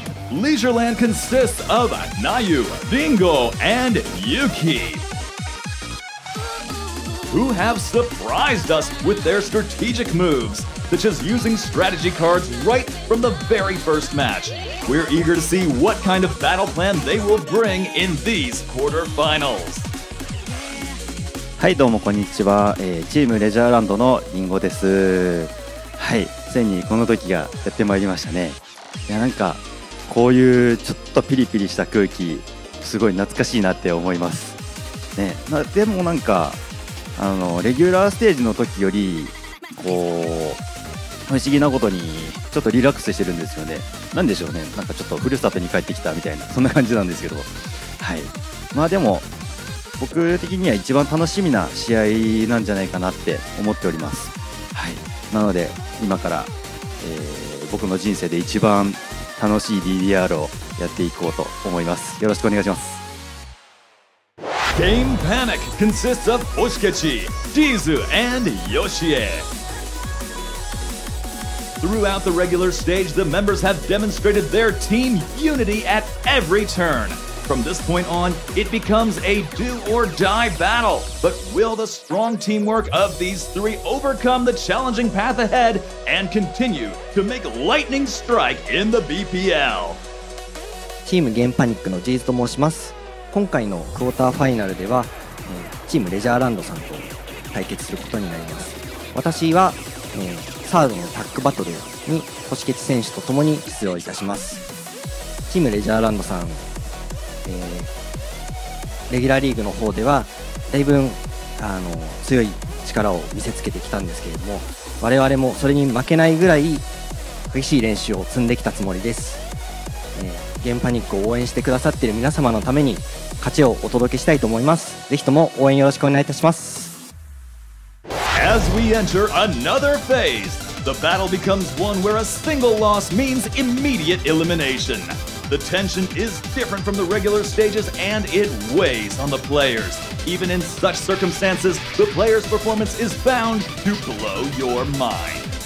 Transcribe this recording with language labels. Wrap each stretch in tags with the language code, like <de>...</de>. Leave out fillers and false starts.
<en>Leisureland consists of Nayu, Bingo, and Yuki, who have surprised us with their strategic moves, such as using strategy cards right from the very first match. We're eager to see what kind of battle plan they will bring in these quarterfinals.</en> <ja>はい、どうもこんにちは、チームレジャーランドのリンゴです。はい、ついにこの時がやってまいりましたね。いや、なんかこういうちょっとピリピリした空気、すごい懐かしいなって思います、ね、でもなんかレギュラーステージの時よりこう不思議なことにちょっとリラックスしてるんですよね。なんでしょうね、なんかちょっとふるさとに帰ってきたみたいな、そんな感じなんですけど、はい、まあでも僕的には一番楽しみな試合なんじゃないかなって思っております。はい、なので今から、僕の人生で一番楽しい DDR をやっていこうと思います。よろしくお願いします。</ja> <en>Game Panic consists of Oshikechi, Jizu, and Yoshie. Throughout the regular stage, the members have demonstrated their team unity at every turn, From this point on, it becomes a do or die battle. But will the strong teamwork of these three overcome the challenging path ahead and continue to make lightning strike in the BPL?</en> <ja>チームゲームパニックのジーズと申します。今回のクォーターファイナルではチームレジャーランドさんと対決することになります。私は、サードのタッグバトルに星ケツ選手と共に出場いたします。チームレジャーランドさん、レギュラーリーグの方ではだいぶ強い力を見せつけてきたんですけれども、我々もそれに負けないぐらい激しい練習を積んできたつもりです。ゲームパニックを応援してくださっている皆様のために勝ちをお届けしたいと思います。ぜひとも応援よろしくお願いいたします。</ja> <en>As we enter another phase, the battle becomes one where a single loss means immediate elimination. The tension is different from the regular stages and it weighs on the players. Even in such circumstances, the player's performance is bound to blow your mind.</en>